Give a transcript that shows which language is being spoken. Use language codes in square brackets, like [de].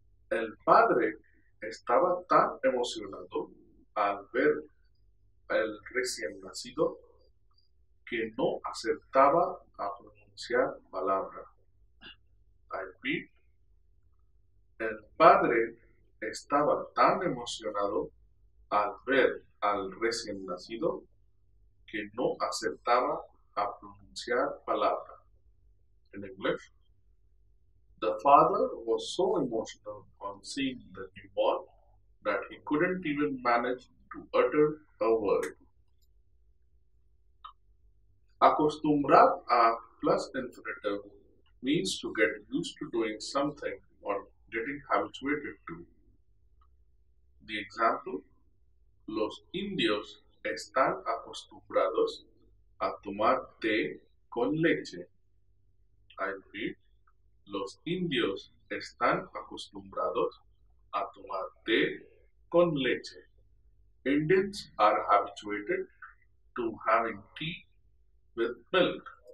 [es] El padre estaba tan emocionado al ver el recién nacido que no acertaba a pronunciar palabra. [en] I repeat, [es] el padre estaba tan emocionado al ver al recién nacido que no acertaba a pronunciar palabra. [en] In English, the father was so emotional on seeing the newborn that he couldn't even manage to utter a word. Acostumbrar a plus infinitive means to get used to doing something or getting habituated to. The example, [es] Los indios están acostumbrados a tomar té con leche. [en] I repeat, [es] Los indios están acostumbrados a tomar té con leche. [en] Indians are habituated to having tea with milk.